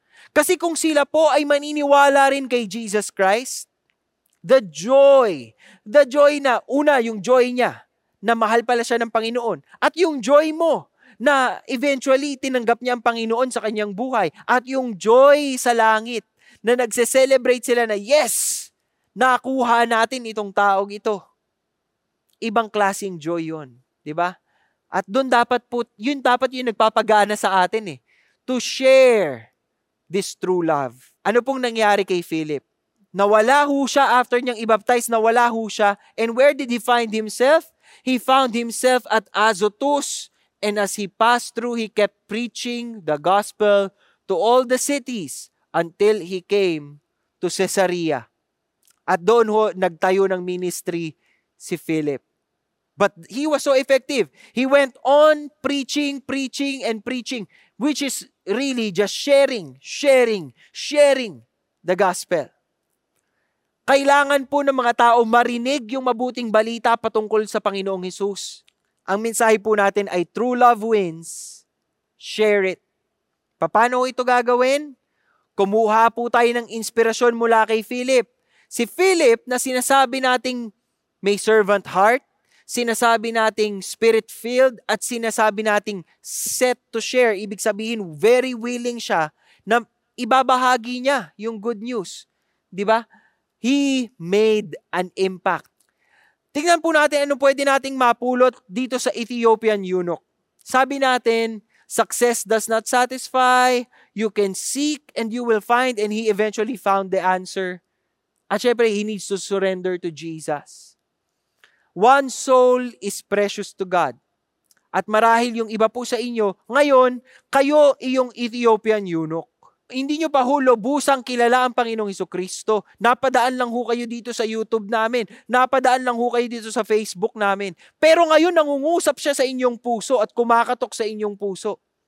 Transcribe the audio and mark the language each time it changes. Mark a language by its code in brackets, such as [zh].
[tl] Kasi kung sila po ay maniniwala rin kay Jesus Christ, the joy na una yung joy niya na mahal pala siya ng Panginoon at yung joy mo na eventually tinanggap niya ang Panginoon sa kanyang buhay at yung joy sa langit na nagse-celebrate sila na yes, nakuha natin itong taong ito. Ibang klaseng joy yun, di ba? At doon dapat po, yun dapat yung nagpapagana sa atin eh, [en] to share this true love. [tl] Ano pong nangyari kay Philip? Nawala ho siya after niyang ibaptize, nawala ho siya. [en] And where did he find himself? He found himself at Azotus. And as he passed through, he kept preaching the gospel to all the cities until he came to Caesarea. [tl] At doon ho nagtayo ng ministry si Philip. [en] But he was so effective. He went on preaching, which is really just sharing the gospel. [tl] Kailangan po ng mga tao marinig yung mabuting balita patungkol sa Panginoong Hesus. Ang mensahe po natin ay [en] true love wins, share it. [tl] Paano ito gagawin? Kumuha po tayo ng inspirasyon mula kay Philip. Si Philip na sinasabi nating may servant heart, sinasabi nating spirit-filled, at sinasabi nating set to share. Ibig sabihin, very willing siya na ibabahagi niya yung good news. Diba? [en] He made an impact. [tl] Tingnan po natin ano pwede nating mapulot dito sa Ethiopian eunuch. Sabi natin, [en] success does not satisfy, you can seek and you will find, and he eventually found the answer. [tl] At syempre, [en] he needs to surrender to Jesus. One soul is precious to God. [tl] At marahil yung iba po sa inyo, ngayon, kayo iyong Ethiopian eunuch. Hindi nyo pa hulo busang kilala ang Panginoong Hesukristo. Napadaan lang ho kayo dito sa YouTube namin. Napadaan lang ho kayo dito sa Facebook namin. Pero ngayon, nangungusap siya sa inyong puso at kumakatok sa inyong puso.